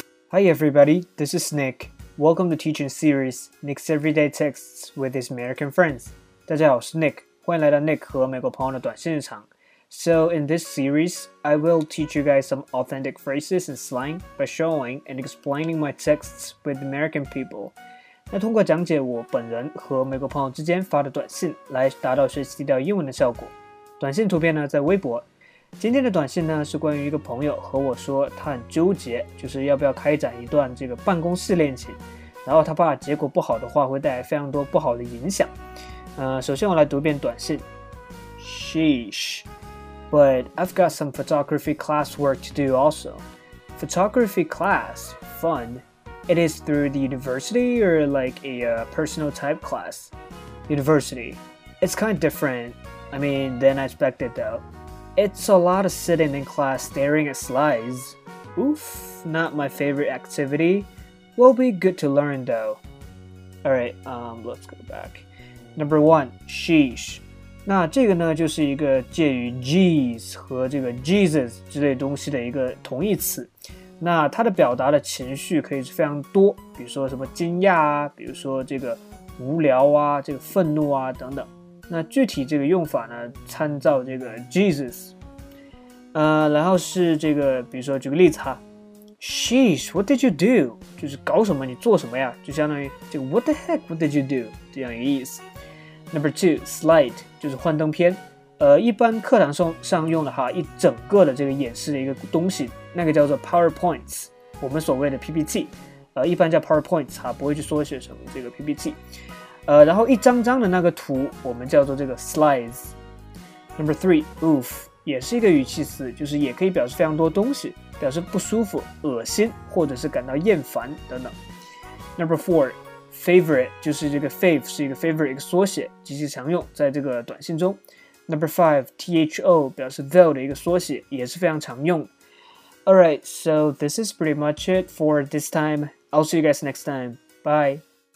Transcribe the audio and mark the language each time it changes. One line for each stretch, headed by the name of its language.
English: Hi everybody, this is Nick. Welcome to Teaching Series, Nick's Everyday Texts with his American Friends.
Chinese: 大家好，我是 Nick， 欢迎来到 Nick 和美国朋友的短信日常。
English: So in this series, I will teach you guys some authentic phrases and slang by showing and explaining my texts with American people.
Chinese: 那通过讲解我本人和美国朋友之间发的短信来达到学习到英文的效果。短信图片呢在微博。今天的短信呢是关于一个朋友和我说他很纠结，就是要不要开展一段这个办公室恋情，然后他怕结果不好的话会带来非常多不好的影响。首先我来读遍短信。
English: Sheesh, but I've got some photography class work to do also. Photography class, fun. It is through the university or like a personal type class? University. It's kind of different, I mean, than I expected though. It's a lot of sitting in class staring at slides. Oof, not my favorite activity. Will be good to learn though. Alright, let's go back. Number one, sheesh.
Chinese: 那这个呢就是一个介于 geez 和这个 Jesus 之类东西的一个同义词。那它的表达的情绪可以是非常多，比如说什么惊讶啊，比如说这个无聊啊，这个愤怒啊等等。那具体这个用法呢参照这个 Jesus。然后是这个比如说举个例子哈。
English: Sheesh, what did you do?
Chinese: 就是搞什么你做什么呀，就相当于这个
English: what the heck, what did you do?
Chinese: 这样一个意思。
English: Number two, slide,
Chinese: 就是幻灯片。一般课堂上用的哈一整个的这个演示的一个东西，那个叫做 PowerPoints, 我们所谓的 PPT。一般叫 PowerPoints, 哈，不会去缩写成这个 PPT。然后一张张的那个图我们叫做这个 slides。
English: Number three, oof,
Chinese: 也是一个语气词，就是也可以表示非常多东西，表示不舒服、恶心或者是感到厌烦等等。
English: Number four, favorite,
Chinese: 就是这个 fave 是一个 favorite 一个缩写，极其常用在这个短信中。 Number five, tho, 表示 though 的一个缩写，也是非常常用。
English: Alright, so this is pretty much it for this time. I'll see you guys next time. Bye.